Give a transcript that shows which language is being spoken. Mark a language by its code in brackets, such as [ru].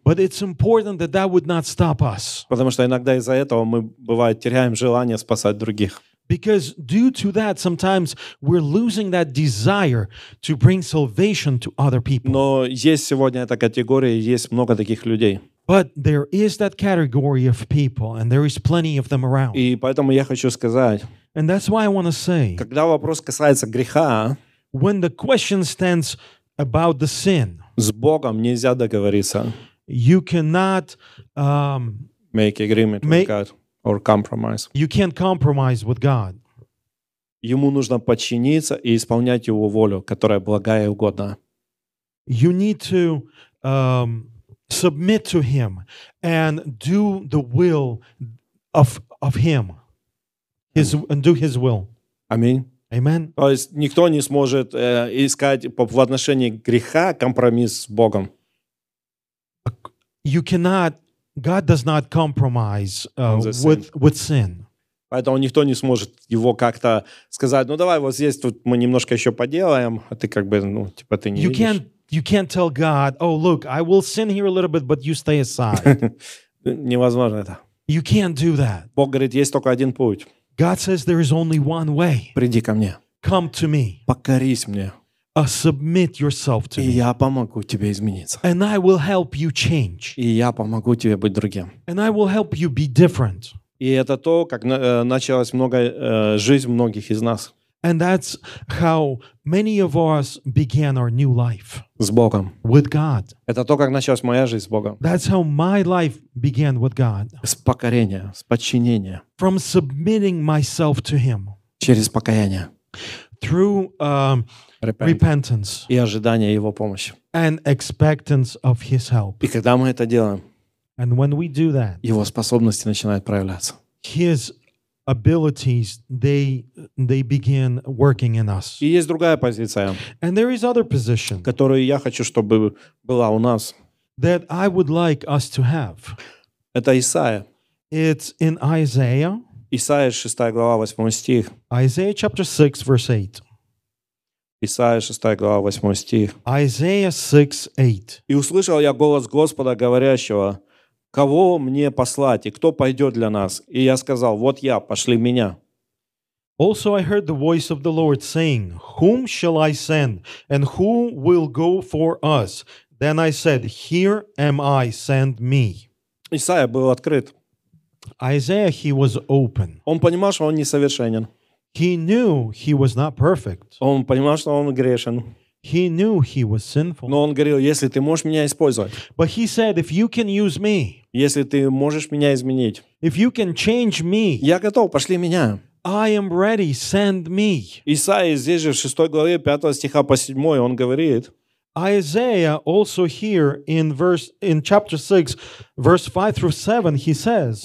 [en] But it's important that that would not stop us. [ru] Потому что иногда из-за этого мы, бывает, теряем желание спасать других. [en] Because due to that, sometimes we're losing that desire to bring salvation to other people. [ru] Но есть сегодня эта категория, есть много таких людей. [en] But there is that category of people, and there is plenty of them around. [ru] И поэтому я хочу сказать. [en] And that's why I want to say. [ru] Когда вопрос касается греха. [en] When the question stands about the sin. [ru] С Богом нельзя договориться. [en] You cannot make agreement with God or compromise. You can't compromise with God. [ru] Ему нужно подчиниться и исполнять Его волю, которая благая и угодна. [en] You need to submit to him and do the will of him his and do his will. [ru] Аминь. [en] Amen. [ru] То есть никто не сможет искать в отношении греха компромисс с Богом. [en] You cannot God does not compromise with sin. [ru] Поэтому никто не сможет его как-то сказать: "Ну давай вот здесь тут мы немножко ещё поделаем", а ты как бы, ну, типа ты не [en] you [ru] видишь. [en] You can't tell God, oh, look, I will sin here a little bit, but you stay aside. [ru] Невозможно это. [en] You can't do that. [ru] Бог говорит, есть только один путь. [en] God says there is only one way. [ru] Приди ко мне. [en] Come to me. [ru] Покорись мне. [en] Submit yourself to me. [ru] И я помогу тебе измениться. [en] And I will help you change. [ru] И я помогу тебе быть другим. [en] And I will help you be different. [ru] И это то, как началась жизнь многих из нас. [en] And that's how many of us began our new life. [ru] С Богом. [en] With God. [ru] Это то, как началась моя жизнь с Богом. [en] That's how my life began with God. [ru] С покорения, с подчинения. [en] From submitting myself to Him. [ru] Через покаяние. [en] Through repentance. [ru] И ожидание Его помощи. [en] And expectance of His help. [ru] И когда мы это делаем, [en] and when we do that, [ru] Его способности начинают проявляться. [en] His abilities, they begin working in us. [ru] И есть другая позиция. [en] And there is other position. [ru] Которую я хочу, чтобы была у нас. [en] That I would like us to have. [ru] Это Исаия. [en] It's in Isaiah. [ru] Исаия, 6 глава, 8 стих. [en] Isaiah chapter 6, verse 8. [ru] Исаия, 6 глава, 8 стих. [en] Isaiah 6, 8. [ru] И услышал я голос Господа, говорящего: кого мне послать, и кто пойдет для нас? И я сказал: вот я, пошли меня. [en] Also I heard the voice of the Lord saying, whom shall I send, and who will go for us? Then I said, here am I, send me. [ru] Исаия был открыт. [en] Isaiah, he was open. [ru] Он понимал, что он несовершенен. [en] He knew he was not perfect. [ru] Он понимал, что он грешен. [en] He knew he was sinful. [ru] Но он говорил, если ты можешь меня использовать. [en] But he said, if you can use me. [ru] Если ты можешь меня изменить. [en] If you can change me. [ru] Я готов, пошли меня. [en] I am ready, send me. [ru] Исаия здесь же в 6 главе, 5 стиха по 7, он говорит. [en] Isaiah also here in chapter 6, verse 5 through 7, he says.